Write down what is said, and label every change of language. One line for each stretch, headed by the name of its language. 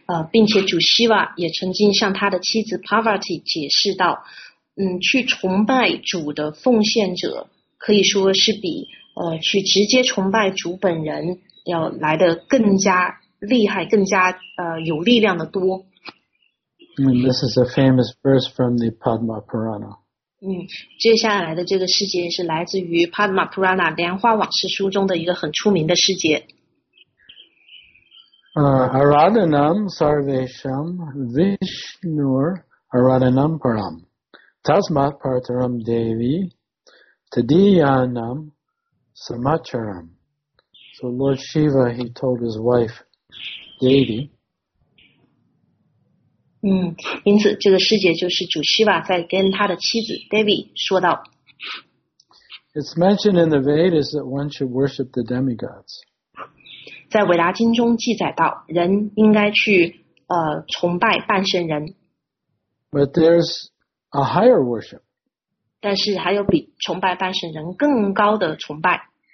Chinese: 并且主希瓦也曾经向他的妻子 Parvati 解释到，去崇拜主的奉献者可以说是比去直接崇拜主本人要来得更加厉害，更加有力量的多。
English: And this is a famous verse from the Padma Purana.
Chinese: 接下来的这个世界是来自于 Padma Purana 莲花往事书中的一个很出名的世界。
Sanskrit: Aradhanam Sarvesham Vishnur Aradhanam Param Tasmat Partaram Devi Tadiyanam Samacharam.
English: So Lord Shiva, he told his wife Devi.
Chinese: 因此这个世界就是主希瓦在跟他的妻子 Devi 说道。
English: It's mentioned in the Vedas that one should worship the demigods.
Chinese: 在维达经中记载到，人应该去崇拜半神人。
English: But there's a higher worship.
Chinese: 但是还有比崇拜半神人更高的崇拜。